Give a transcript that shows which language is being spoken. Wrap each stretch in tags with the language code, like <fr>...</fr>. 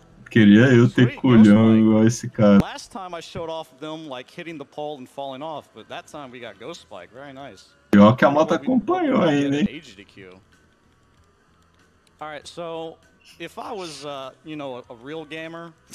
<pt>Queria eu ter culhão igual esse cara.</pt> <en>Last time I showed off them like hitting the pole and falling off, but that time we got Ghost Spike, very nice.</en> <pt>Pior que a moto acompanhou aí, né?</pt> <en>Alright, so if I was you know, a real gamer.</en>